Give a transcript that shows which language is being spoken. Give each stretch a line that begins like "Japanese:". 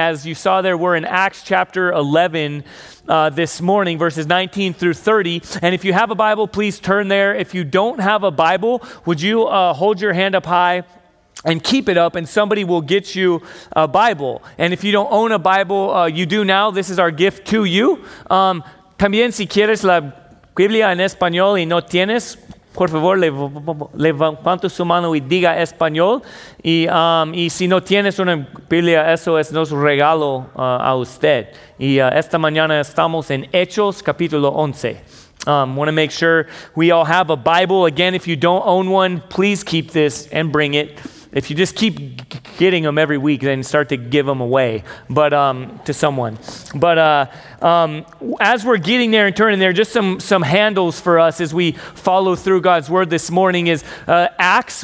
English: As you saw there, we're in Acts chapter 11 this morning, verses 19 through 30. And if you have a Bible, please turn there. If you don't have a Bible, would you hold your hand up high and keep it up, and somebody will get you a Bible. And if you don't own a Bible, you do now. This is our gift to you.
Spanish: También si quieres la Biblia en español y no tienes, por favor, levanta su mano y diga español. Y si no tienes una Biblia, eso es nuestro regalo a usted. Y esta mañana estamos en Hechos, capítulo 11.
English: Want to make sure we all have a Bible. Again, if you don't own one, please keep this and bring it. If you just keep getting them every week, then start to give them away to someone. But as we're getting there and turning there, just some handles for us as we follow through God's word this morning is Acts.